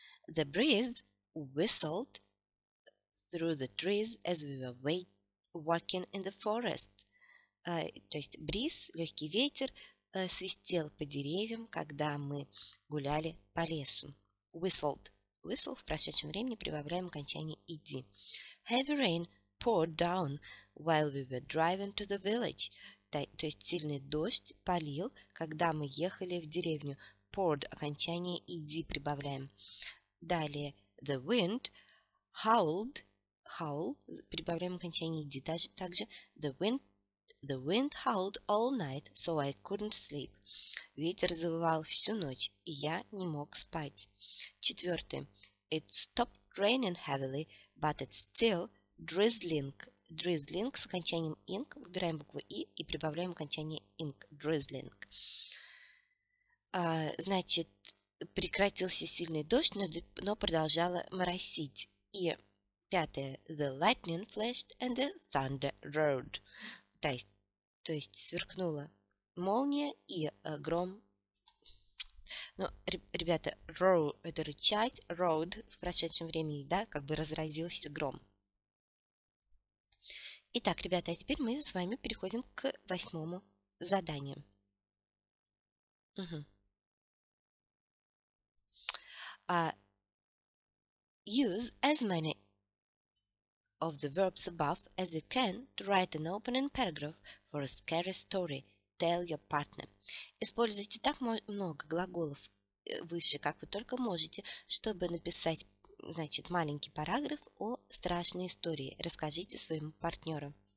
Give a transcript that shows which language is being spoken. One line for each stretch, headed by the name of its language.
English: The breeze whistled through the trees as we were waiting. Walking in the forest.
Russian: То есть бриз, легкий ветер, свистел по деревьям, когда мы гуляли по лесу.
English: Whistled.
Russian: Whistle в прошедшем времени прибавляем окончание ed.
English: Heavy rain poured down while we were driving to the village.
Russian: то есть сильный дождь полил, когда мы ехали в деревню. Poured, окончание ed прибавляем. Далее,
English: the wind howled,
Russian: howl, прибавляем окончание ed. Также,
English: the wind howled all night, so I couldn't sleep.
Russian: Ветер завывал всю ночь, и я не мог спать. Четвертое,
English: it stopped raining heavily, but it's still drizzling.
Russian: Drizzling с окончанием ing, выбираем букву i и прибавляем окончание ing, drizzling. Значит, прекратился сильный дождь, но продолжало моросить. И пятое,
English: the lightning flashed and the thunder roared.
Russian: То есть сверкнула молния и гром. Ну, ребята, roar – это рычать, roared в прошедшем времени, да, как бы разразился гром. Итак, ребята, а теперь мы с вами переходим к восьмому заданию. Угу.
English: Use as many of the verbs above as you can to write an opening paragraph for a scary story. Tell your partner.
Russian: Используйте так много глаголов выше, как вы только можете, чтобы написать, значит, маленький параграф о страшной истории. Расскажите своему партнеру.